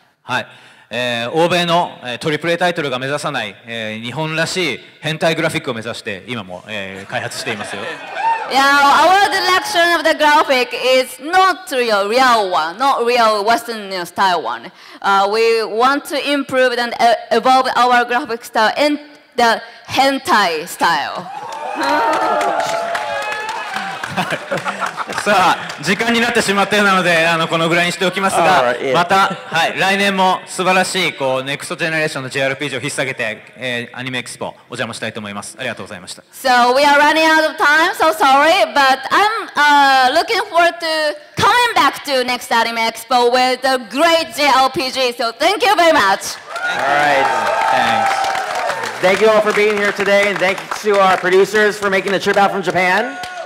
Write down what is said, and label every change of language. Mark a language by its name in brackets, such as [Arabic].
[Japanese] はい、欧米の、AAA タイトルが目指さない、日本らしい変態グラフィックを目指して今も、開発していますよ。 [English] Yeah, I would like reduction of the graphic is not real, real one, not real Western style one. We want to improve and evolve our graphic style in the hentai style. [Japanese] さあ、時間になってしまったようなので、このぐらいにしておきますが、 [English] right, yeah. [Japanese] また、はい、来年も素晴らしいこうネクストジェネレーションの JRPG を引っ提げて、アニメエキスポお邪魔したいと思います。ありがとうございました。 [English] So we are running out of time, so sorry, but I'm looking forward to coming back to next anime expo with a great JRPG. So thank you very much. All right, thanks. Thank you all for being here today, and thank you to our producers for making the trip out from Japan.